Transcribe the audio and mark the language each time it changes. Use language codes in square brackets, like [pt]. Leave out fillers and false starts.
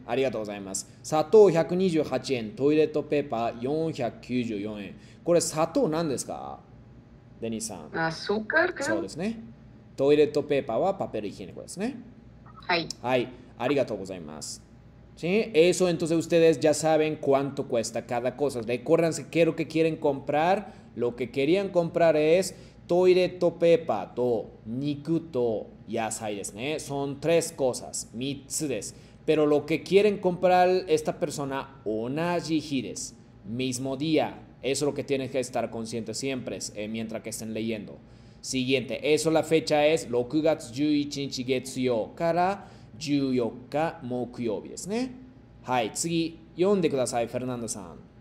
[ja] ありがとうございます。砂糖128円、トイレットペーパー494円。これ砂糖なんですか？デニスさん。 [es] アスカル [ja] そうカですね。トイレットペーパーはパペルヒエニコですね。はい、ありがとうございます。 [es] Sí, eso entonces ustedes ya saben cuánto cuesta cada cosa. Recuérdense que lo que quieren comprar, lo que querían comprar es toilet paper [ja] と肉と野菜ですね。 [es] Son tres cosas, [ja] 3つです。 [es] Pero lo que quieren comprar esta persona, [ja] onajihides, [es] mismo día. Eso es lo que tienen que estar conscientes siempre, mientras que estén leyendo. Siguiente, eso la fecha es [ja] 6月11日月曜から14日木曜日ですね。はい、次、読んでください、フェルナンドさん。